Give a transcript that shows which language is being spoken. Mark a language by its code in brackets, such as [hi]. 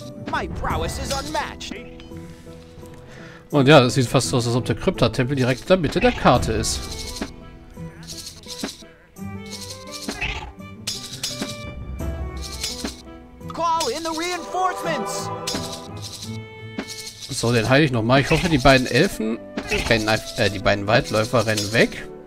[en] My prowess is unmatched. [de] Und ja, das sieht fast so aus, als ob der Krypta-Tempel direkt in der Mitte der Karte ist. [en] Call in the reinforcements. [de] So, den heile ich nochmal. Ich hoffe, die beiden Elfen rennen die beiden Waldläufer rennen weg.